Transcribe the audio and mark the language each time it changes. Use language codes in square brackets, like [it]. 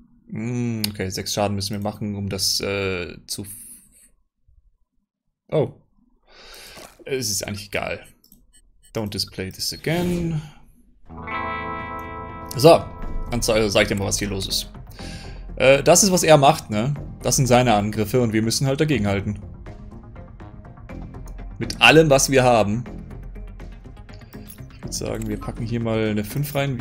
[de] Okay, 6 Schaden müssen wir machen, um das zu... Oh. Es ist eigentlich egal. [en] Don't display this again. [de] So, dann sag ich dir mal, was hier los ist. Das ist, was er macht, ne? Das sind seine Angriffe und wir müssen halt dagegenhalten. Mit allem, was wir haben. Ich würde sagen, wir packen hier mal eine 5 rein.